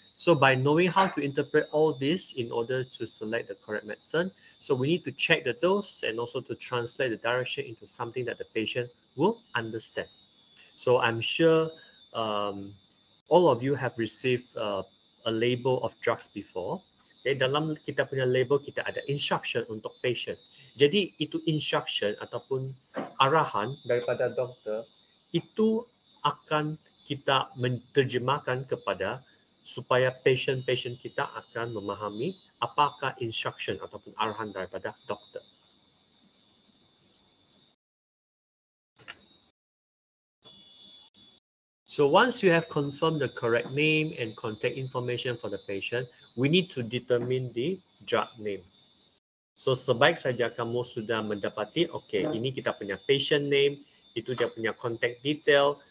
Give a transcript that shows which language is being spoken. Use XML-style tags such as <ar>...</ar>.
<en>So by knowing how to interpret all this in order to select the correct medicine, so we need to check the dose and also to translate the direction into something that the patient will understand. So I'm sure all of you have received a label of drugs before.</en> <ms>Okay, dalam kita punya label kita ada instruction untuk patient. Jadi itu instruction ataupun arahan daripada doktor itu akan kita menterjemahkan kepada supaya patient kita akan memahami apakah instruction ataupun arahan daripada doktor.</ms> <en>So once you have confirmed the correct name and contact information for the patient, we need to determine the drug name.</en> <ms>So sebaik saja kamu sudah mendapati, okay, ini kita punya patient name, itu dia punya contact detail.</ms>